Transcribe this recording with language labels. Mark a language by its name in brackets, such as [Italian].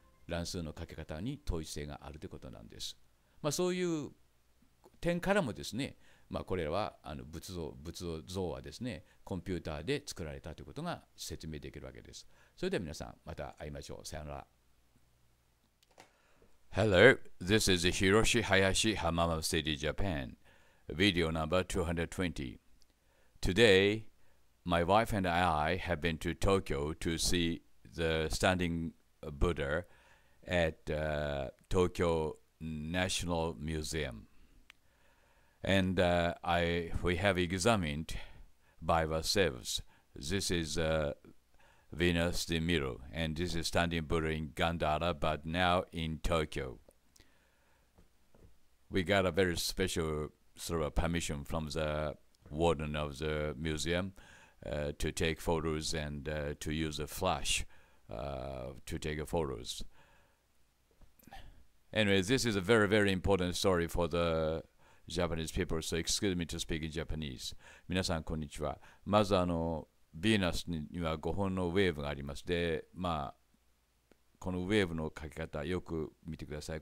[Japanese] 乱数のかけ方に統一性があるということなんです。まあ、そういう点からもですね、まあ、これらは仏像はですね、コンピューターで作られたということが説明できるわけです。それでは皆さん、また会いましょう。さよなら。 [English] Hello, this is Hiroshi Hayashi, Hamamatsu City, Japan. Video number 220. Today, my wife and I have been to Tokyo to see the standing Buddha at Tokyo National Museum. And we have examined by ourselves. This is Venus de Milo, and this is standing Buddha in Gandhara, but now in Tokyo. We got a very special sort of permission from the warden of the museum to take photos and to use a flash to take photos. Anyway, this is a very, very important story for the Japanese people, so excuse me to speak in Japanese. [Japanese] 皆さん、こんにちは。まず、ヴィーナスには5本のウェーブがあります。で、まあ、このウェーブの書き方、よく見てください。